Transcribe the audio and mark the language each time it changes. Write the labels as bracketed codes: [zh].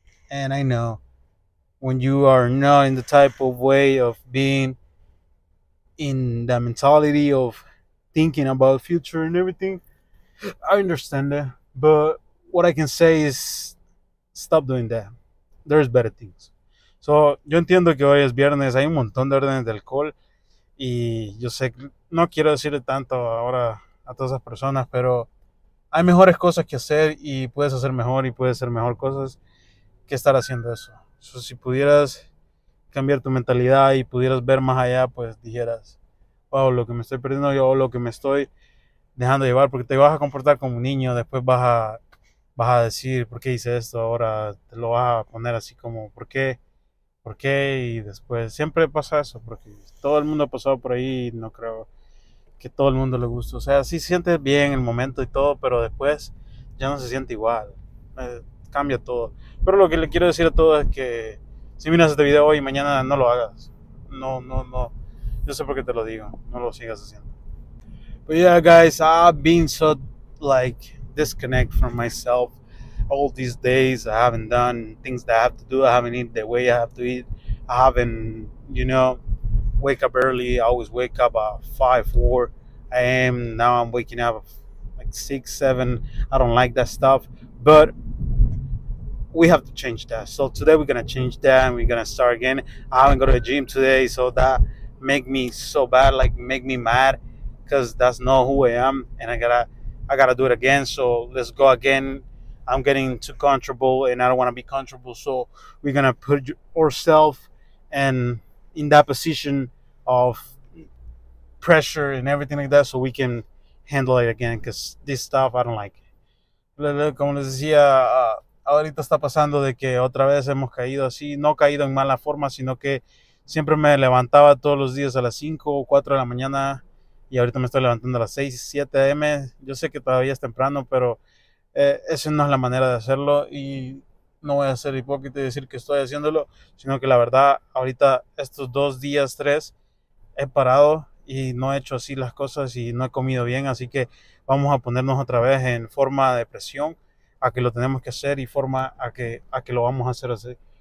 [en] And I know when you are not in the type of way of being in the mentality of thinking about future and everything, I understand that. But what I can say is, stop doing that. There's better things. [es] So, yo entiendo que hoy es viernes, hay un montón de órdenes de alcohol, y yo sé, no quiero decirle tanto ahora a todas esas personas, pero hay mejores cosas que hacer, y puedes hacer mejor, y puedes hacer mejor cosas que estar haciendo eso. So, si pudieras cambiar tu mentalidad y pudieras ver más allá, pues dijeras, wow, lo que me estoy perdiendo yo, lo que me estoy dejando llevar, porque te vas a comportar como un niño, después vas a decir, ¿por qué hice esto? Ahora te lo vas a poner así como, ¿por qué? ¿Por qué? Y después siempre pasa eso, porque todo el mundo ha pasado por ahí, y no creo que todo el mundo le guste. O sea, sí sientes bien el momento y todo, pero después ya no se siente igual, cambia todo. Pero lo que le quiero decir a todos es que si miras este video hoy y mañana, no lo hagas. No. Yo sé por qué te lo digo, no lo sigas haciendo. [en] But yeah, guys, I've been so, like, disconnected from myself all these days. I haven't done things that I have to do. I haven't eaten the way I have to eat. I haven't, you know, wake up early. I always wake up at 5, 4 a.m. Now I'm waking up at, like, 6, 7. I don't like that stuff. But we have to change that. So today we're going to change that and we're going to start again. I haven't gone to the gym today, so that make me so bad, like make me mad, because that's not who I am, and I gotta do it again. So let's go again. I'm getting too comfortable and I don't want to be comfortable, so we're gonna put ourselves and in that position of pressure and everything like that, so we can handle it again, because this stuff I don't like it. [es] Como les decía, ahorita está pasando de que otra vez hemos caído así, no caído en mala forma, sino que siempre me levantaba todos los días a las 5 o 4 de la mañana y ahorita me estoy levantando a las 6, 7 am. Yo sé que todavía es temprano, pero esa no es la manera de hacerlo y no voy a ser hipócrita y decir que estoy haciéndolo, sino que la verdad, ahorita estos dos días, tres, he parado y no he hecho así las cosas y no he comido bien, así que vamos a ponernos otra vez en forma de presión a que lo tenemos que hacer y forma a que lo vamos a hacer así.